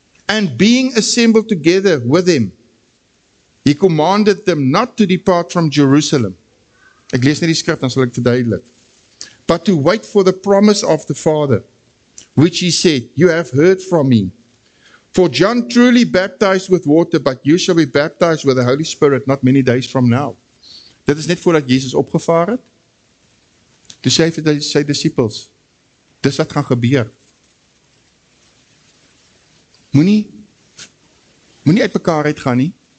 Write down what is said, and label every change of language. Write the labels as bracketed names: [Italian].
[English] And being assembled together with him, he commanded them not to depart from Jerusalem. [Afrikaans] Ek lees net die skrif, dan sal ek verduidelik. [English] But to wait for the promise of the Father, which he said, you have heard from me. For John truly baptized with water, but you shall be baptized with the Holy Spirit not many days from now. [Afrikaans] Dit is net voordat Jesus opgevaar het. Toe sê vir sy disciples, dis wat gaan gebeur. Moenie uit mekaar uitgaan nie.